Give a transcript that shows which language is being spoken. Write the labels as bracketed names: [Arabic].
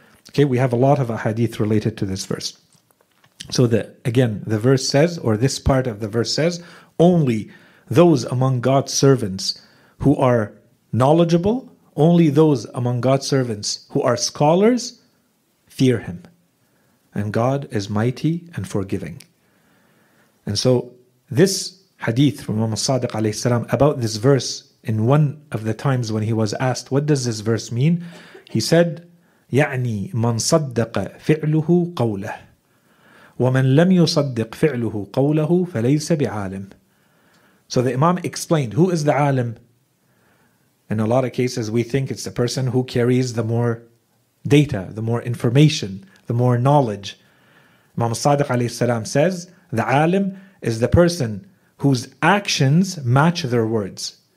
[English] Okay, we have a lot of ahadith related to this verse. So the verse says, or this part of the verse says, only those among God's servants who are knowledgeable, only those among God's servants who are scholars, fear Him. And God is mighty and forgiving. And so this hadith from Imam Sadiq alayhi salam about this verse, in one of the times when he was asked, what does this verse mean? He said, [Arabic] يعني من صدق فعله قوله ومن لم يصدق فعله قوله فليس بعالم. [English] So the Imam explained, who is the alim? In a lot of cases we think it's the person who carries the more data, the more information, the more knowledge. Imam Sadiq alayhi salam says, the alim is the person whose actions match their words.